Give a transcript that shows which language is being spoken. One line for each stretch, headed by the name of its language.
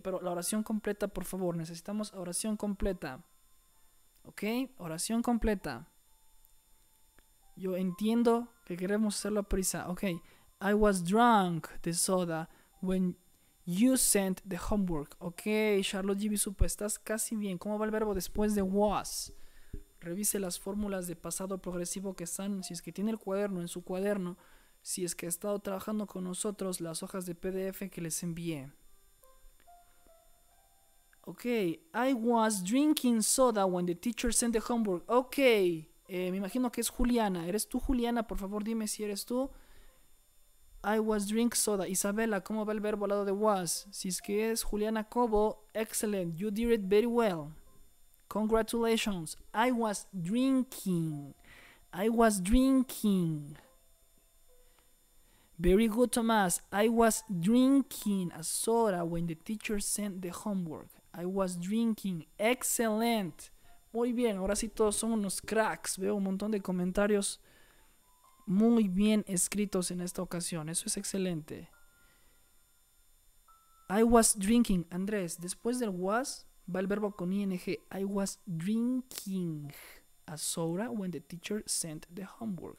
Spanish: Pero la oración completa, por favor. Necesitamos oración completa. Ok, oración completa. Yo entiendo que queremos hacerlo a prisa. Ok.
English: I was drunk the soda when you sent the homework.
Spanish: Ok, Charlotte Jibisupa, estás casi bien. ¿Cómo va el verbo después de was? Revise las fórmulas de pasado progresivo que están, si es que tiene el cuaderno en su cuaderno, si es que ha estado trabajando con nosotros las hojas de PDF que les envié.
English: Ok, I was drinking soda when the teacher sent the homework.
Spanish: Ok, me imagino que es Juliana. ¿Eres tú, Juliana? Por favor, dime si eres tú.
English: I was drink soda.
Spanish: Isabela, ¿cómo va el verbo al lado de was? Si es que es
English: Juliana Cobo, excellent. You did it very well. Congratulations. I was drinking. I was drinking. Very good, Tomás. I was drinking a soda when the teacher sent the homework. I was drinking. Excellent.
Spanish: Muy bien. Ahora sí todos son unos cracks. Veo un montón de comentarios muy bien escritos en esta ocasión. Eso es excelente.
English: I was drinking.
Spanish: Andrés, después del was, va el verbo con ing.
English: I was drinking a soda when the teacher sent the homework.